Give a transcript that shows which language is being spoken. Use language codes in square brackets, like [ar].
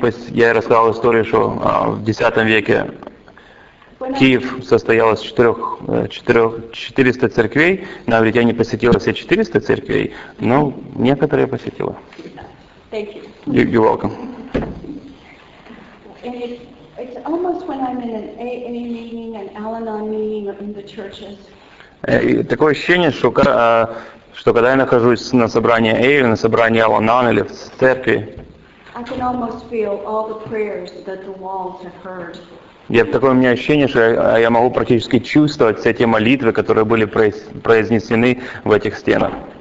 [ru] Я рассказал историю, что в X веке Киев состоял из 400 церквей, но ведь я не посетила все 400 церквей, но некоторые посетила. [en] You're welcome. And it's almost when I'm in an AA meeting, an Al-Anon meeting, or in the churches. [ru] Такое ощущение, что когда я нахожусь на собрании AA, на собрании Al-Anon или в церкви, [en] I can almost feel all the prayers that the walls have heard. [ru] Такое у меня ощущение, что я могу практически чувствовать все те молитвы, которые были произнесены в этих стенах.